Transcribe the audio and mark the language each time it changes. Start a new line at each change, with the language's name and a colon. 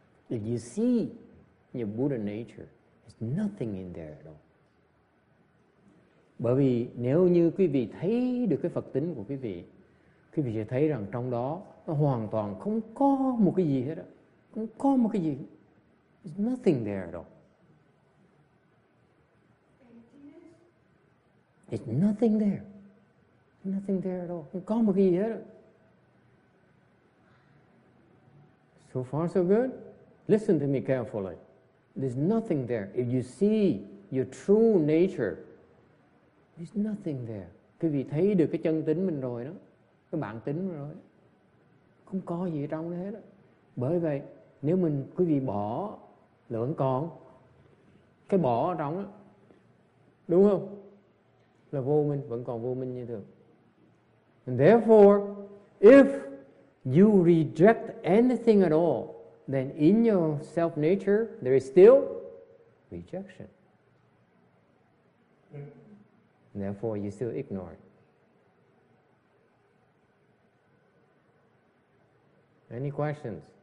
English: If you see your Buddha nature, there's nothing in there at all.
Vietnamese: Bởi vì nếu như quý vị thấy được cái Phật tính của quý vị sẽ thấy rằng trong đó nó hoàn toàn không có một cái gì hết á. Không có một cái gì.
English: There's nothing there at all. There's nothing there. Nothing there at all.
Vietnamese: Không có một cái gì hết á.
English: So far, so good? Listen to me carefully. There's nothing there. If you see your true nature, there's nothing there.
Vietnamese: Quý vị thấy được cái chân tính mình rồi đó, cái bản tính mình rồi đó. Không có gì trong hết đó. Bởi vậy, nếu mình quý vị bỏ là vẫn còn. Cái bỏ ở trong đó, đúng không? Là vô minh, vẫn còn vô minh như thường.
English: And therefore, if you reject anything at all, then in your self nature there is still rejection. And therefore you still ignore it. Any questions?